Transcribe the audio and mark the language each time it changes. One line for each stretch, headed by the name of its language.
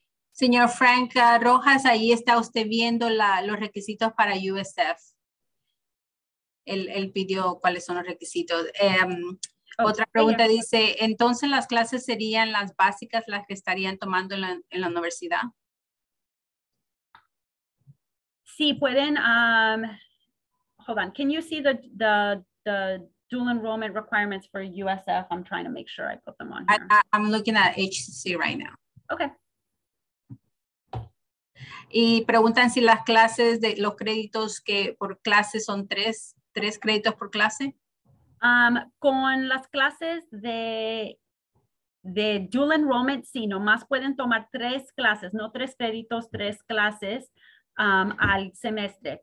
Spanish: Señor Frank Rojas, ahí está usted viendo los requisitos para USF. Él pidió cuáles son los requisitos. Otra pregunta dice, ¿entonces las clases serían las básicas las que estarían tomando en la universidad? Sí, pueden.
English: Hold on, can you see the dual enrollment requirements for USF? I'm trying to make sure I put them on here. I'm looking at HCC right now. Okay.
Spanish: Y preguntan si las clases de los créditos que por clase son tres créditos por clase. Con las clases de de dual enrollment, sí, nomás pueden tomar tres clases, no tres créditos, tres clases al semestre.